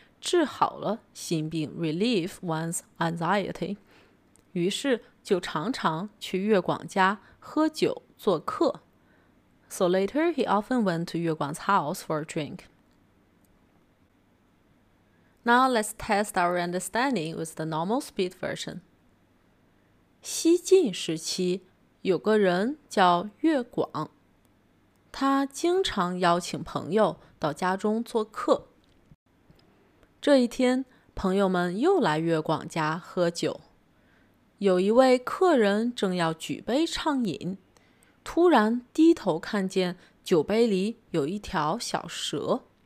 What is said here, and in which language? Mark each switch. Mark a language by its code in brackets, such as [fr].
[zh] 治好了心病 , [en] relieve one's anxiety. [zh] 于是就常常去月广家喝酒做客。 [en] So later, he often went to 月广's house for a drink. Now let's test our understanding with the normal speed version. [zh] 西晋时期有个人叫月广，他经常邀请朋友到家中做客。这一天，朋友们又来月广家喝酒。有一位客人正要举杯畅饮，突然低头看见酒杯里有一条小蛇。